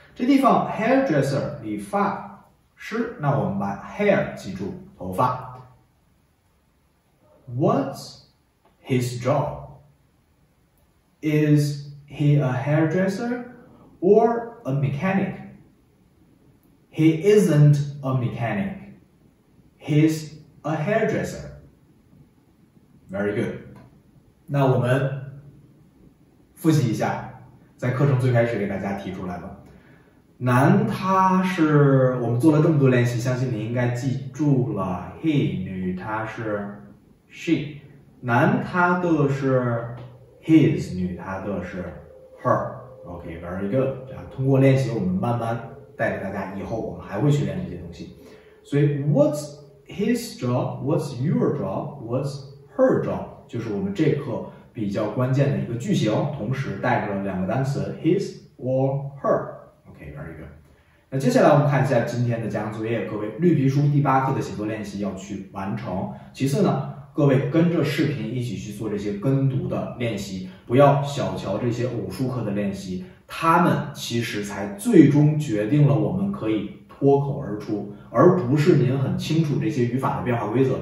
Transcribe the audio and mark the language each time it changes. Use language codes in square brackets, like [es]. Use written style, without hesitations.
[zh] 这地方 hairdresser 理发师，那我们把 hair 记住，头发。 [en] What's his job? Is he a hairdresser or a mechanic? He isn't a mechanic. He's a hairdresser. Very good. [zh] 那我们复习一下，在课程最开始给大家提出来了。男他是，我们做了这么多练习，相信你应该记住了。 He 女他是 she， 男他的是 his， 女他的是 her。 [en] OK， very good。 [zh] 通过练习，我们慢慢带着大家，以后我们还会训练这些东西。 [en] 所以 ，What's his job? What's your job? What's her job? [zh] 就是我们这课比较关键的一个句型，同时带着两个单词 [en] his or her。 OK， very good。 [zh] 那接下来我们看一下今天的加强作业，各位绿皮书第八课的写作练习要去完成。其次呢，各位跟着视频一起去做这些跟读的练习，不要小瞧这些偶数课的练习，他们其实才最终决定了我们可以脱口而出，而不是您很清楚这些语法的变化规则。